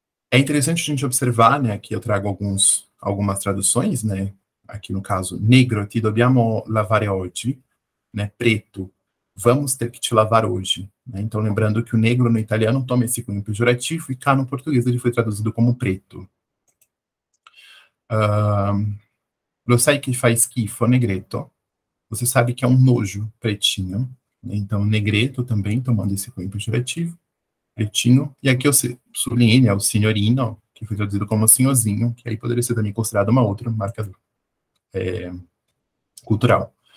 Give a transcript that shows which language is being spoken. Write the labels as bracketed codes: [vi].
[pt] É interessante a gente observar, né, aqui eu trago algumas traduções, né, aqui no caso, [it] negro, ti dobbiamo lavare oggi, [pt] né, preto, vamos ter que te lavar hoje, né? Então, lembrando que o negro no italiano toma esse cunho pejorativo e cá no português ele foi traduzido como preto. [it] Lo sai che fa schifo, negreto? [pt] Você sabe que é um nojo pretinho, né? Então, negreto também, tomando esse cunho pejorativo, pretinho. E aqui eu sublinhei, né, o senhorino, que foi traduzido como Senhorzinho, que aí poderia ser também considerado uma outra marca cultural.